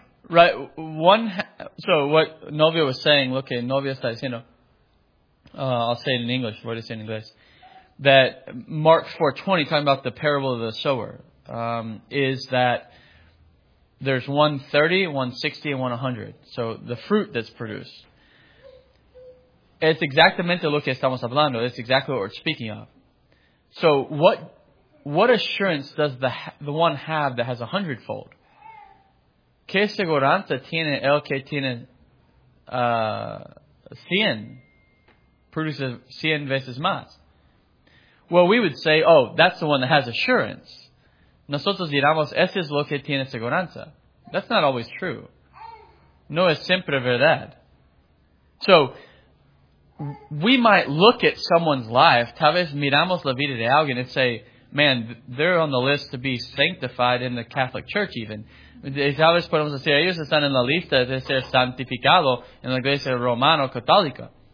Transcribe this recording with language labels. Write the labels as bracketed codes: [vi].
[en] Right, so what Novia was saying, look, [es] Novia está diciendo, [en] I'll say it in English, what is it in English, that Mark 4:20, talking about the parable of the sower, is that there's 130, 160, and 100. So the fruit that's produced. It's [es] exactamente lo que estamos hablando. [en] It's exactly what we're speaking of. So what assurance does the one have that has 100-fold? [es] ¿Qué seguridad tiene el que tiene 100? Produce 100 veces más. [en] Well, we would say, oh, that's the one that has assurance. [es] Nosotros diramos, ese es lo que tiene seguranza. [en] That's not always true. [es] No es siempre verdad. [en] So, we might look at someone's life, [es] tal vez miramos la vida de alguien [en] and say, man, they're on the list to be sanctified in the Catholic Church even. [es] Tal vez podemos decir, ellos están en la lista de ser santificado en la iglesia romano católica.